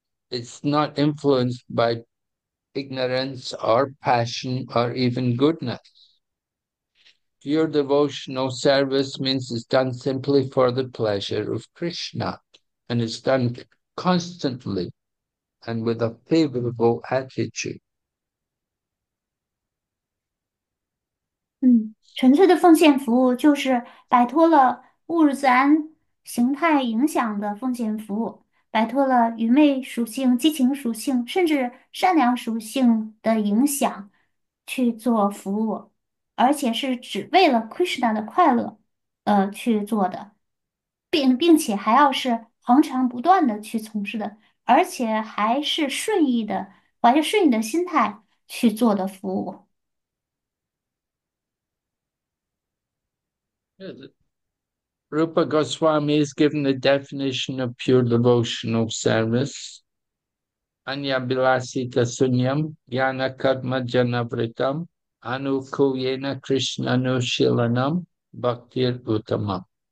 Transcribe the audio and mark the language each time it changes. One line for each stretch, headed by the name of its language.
English: It's not influenced by ignorance or passion or even goodness. Pure devotional service means it's done simply for the pleasure of Krishna, and it's done constantly and with a favorable attitude.
Chinese: 纯粹的奉献服务就是摆脱了物质自然形态影响的奉献服务，摆脱了愚昧属性、激情属性，甚至善良属性的影响去做服务，而且是只为了 Krishna 的快乐，去做的，并且还要是恒常不断的去从事的，而且还是顺意的，怀着顺意的心态去做的服务。
English: Rupa Goswami has given the definition of pure devotional service.
Sanskrit: Anyabhilasita sunyam, yana karma janavritam, anukuyena Krishna nushilanam, bhaktir uttamam.